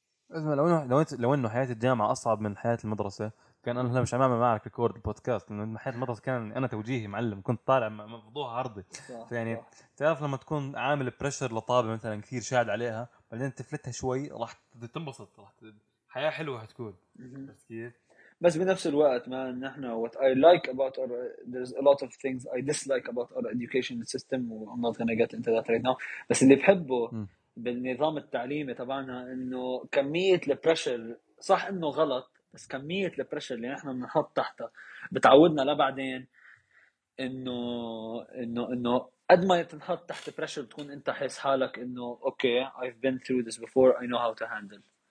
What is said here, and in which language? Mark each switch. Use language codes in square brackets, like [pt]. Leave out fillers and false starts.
[ar] اسمع لو انه لو انت لو انه حياه الجامعه اصعب من حياه المدرسه كان انا هلا مش عم اعمل معك ريكورد البودكاست، لانه حياه المدرسه كان انا توجيهي معلم، كنت طالع مفضوح عرضي. يعني تعرف لما تكون عامل بريشر لطالب مثلا كثير شاد عليها، بعدين تفلتها شوي راح تنبسط، راح حياة حلوة هتكون. بس بنفس الوقت ما نحن [en] what I like about our, there's a lot of things I dislike about our education system I'm not gonna get into that right now. [ar] بس اللي بحبه بالنظام التعليمي طبعاً إنه كمية البريشر، صح إنه غلط بس كمية البريشر اللي نحن بنحط تحتها بتعودنا لبعدين إنه إنه إنه قد ما تنحط تحت بريشر تكون أنت حاس حالك إنه [en] okay I've been through this before I know how to handle.